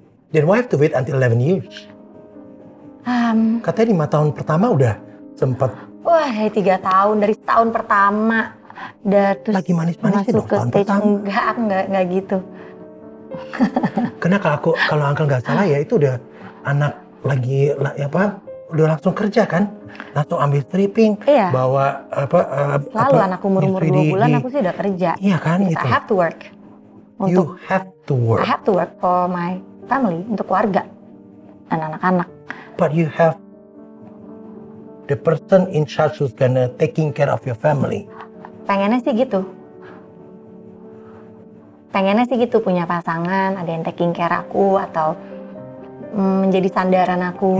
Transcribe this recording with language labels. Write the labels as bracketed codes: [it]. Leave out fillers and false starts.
[en] Then why have to wait until 11 years? [id] Katanya 5 tahun pertama udah sempat. Wah, 3 tahun dari tahun pertama. Terus lagi manis-manisnya dong tahun pertama. Enggak gitu. Karena kalau angka enggak salah ya itu udah anak lagi ya apa? Udah langsung kerja kan? Langsung ambil stripping, iya. Bawa apa? Selalu anak umur 2 bulan aku sih udah kerja. Iya kan gitu. [en] I have to work. You have to work. I have to work for my family, [id] untuk keluarga dan anak-anak. [en] But you have the person in charge who's gonna taking care of your family. [id] Pengennya sih gitu punya pasangan, ada yang taking care aku atau menjadi sandaran aku,